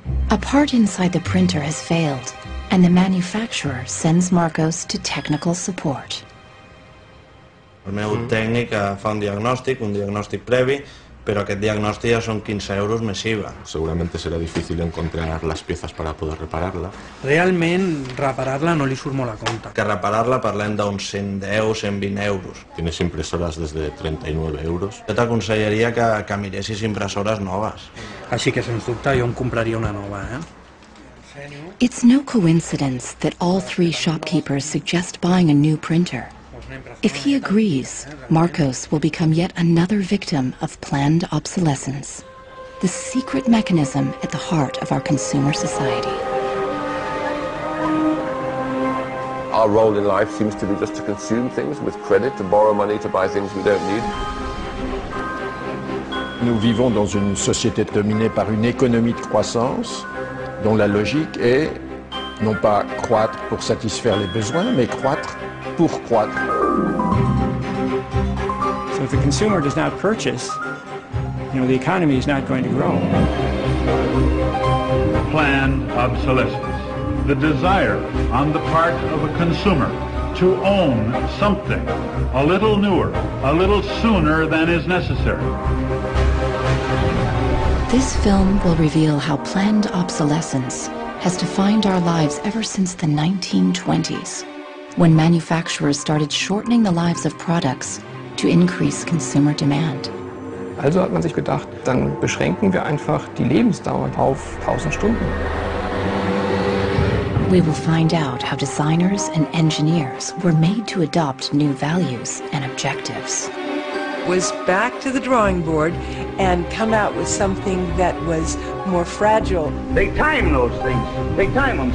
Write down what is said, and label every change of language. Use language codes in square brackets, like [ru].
[en] The part inside the printer has failed, and the manufacturer sends Marcos to technical support. [ca] El meu tècnic fa un diagnòstic previ, però aquest diagnòstic ja són 15 euros més IVA. Segurament serà difícil encontrar les peces per a poder reparar-la. Realment, reparar-la no li surt molt a compte. Que reparar-la parlem d'uns 110, 120 euros. Tienes impressores des de 39 euros. Jo t'aconsellaria que miressis impressores noves. Així que, sens dubte, jo em compraria una nova, [en] It's no coincidence that all three shopkeepers suggest buying a new printer. If he agrees, Marcos will become yet another victim of planned obsolescence, the secret mechanism at the heart of our consumer society. Our role in life seems to be just to consume things with credit, to borrow money to buy things we don't need. [fr] Nous vivons dans une société dominée par une économie de croissance dont la logique est non pas croître pour satisfaire les besoins, mais croître pour croître. [en] So if the consumer does not purchase, the economy is not going to grow. Planned obsolescence, the desire on the part of a consumer to own something a little newer, a little sooner than is necessary. This film will reveal how planned obsolescence has defined our lives ever since the 1920s, when manufacturers started shortening the lives of products to increase consumer demand. [de] Also hat man sich gedacht, dann beschränken wir einfach die Lebensdauer auf 1000 Stunden. [en] We will find out how designers and engineers were made to adopt new values and objectives. Was back to the drawing board and come out with something that was more fragile. They time those things. They time them.